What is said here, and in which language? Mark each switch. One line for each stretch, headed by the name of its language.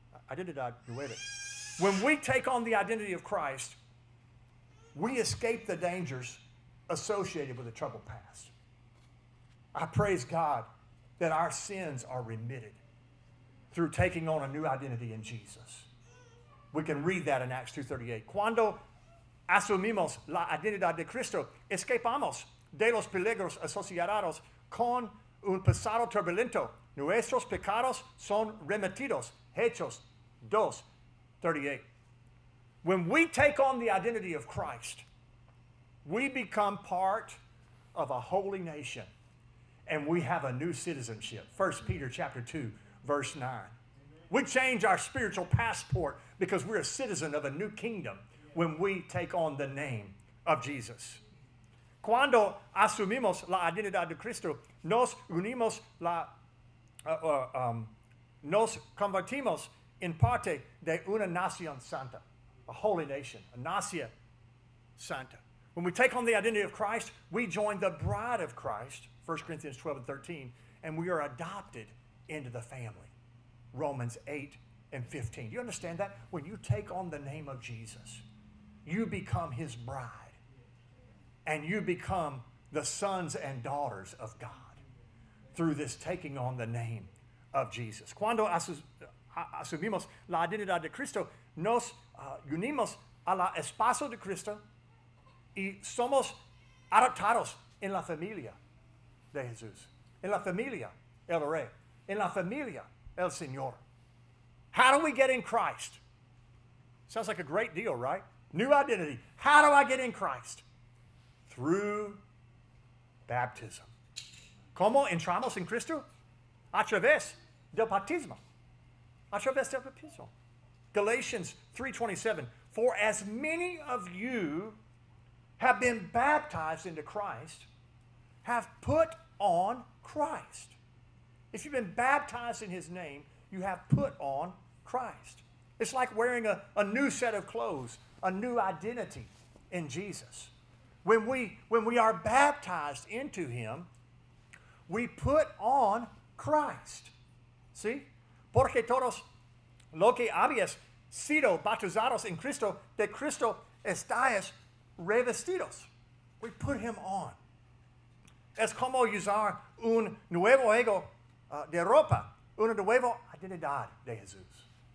Spanish: Identidad nueva.
English: When we take on the identity of Christ, we escape the dangers associated with a troubled past. I praise God that our sins are remitted through taking on a new identity in Jesus. We can read that in Acts 2:38.
Spanish: Cuando asumimos la identidad de Cristo, escapamos de los peligros asociados con un pasado turbulento. Nuestros pecados son remitidos. Hechos 2:38.
English: When we take on the identity of Christ, we become part of a holy nation and we have a new citizenship. 1 Peter chapter 2, verse 9. We change our spiritual passport because we're a citizen of a new kingdom when we take on the name of Jesus.
Spanish: Cuando asumimos la identidad de Cristo, nos unimos nos convertimos en parte de una nación santa,
English: a holy nation,
Spanish: a nación santa.
English: When we take on the identity of Christ, we join the bride of Christ, 1 Corinthians 12 and 13, and we are adopted into the family, Romans 8 and 15. Do you understand that? When you take on the name of Jesus, you become his bride, and you become the sons and daughters of God through this taking on the name of Jesus.
Spanish: Cuando asumimos la identidad de Cristo, nos unimos a la esposa de Cristo, y somos adoptados en la familia de Jesús. En la familia, el Rey. En la familia, el Señor.
English: How do we get in Christ? Sounds like a great deal, right? New identity. How do I get in Christ? Through baptism.
Spanish: ¿Cómo entramos en Cristo? A través del bautismo. A través del bautismo.
English: Galatians 3:27. For as many of you have been baptized into Christ, have put on Christ. If you've been baptized in his name, you have put on Christ. It's like wearing a new set of clothes, a new identity in Jesus. When we are baptized into him, we put on Christ. See?
Spanish: Porque todos los que habéis sido bautizados en Cristo, de Cristo estáis revestidos.
English: We put him on.
Spanish: Es como usar un nuevo ego de ropa, una nueva identidad de Jesús.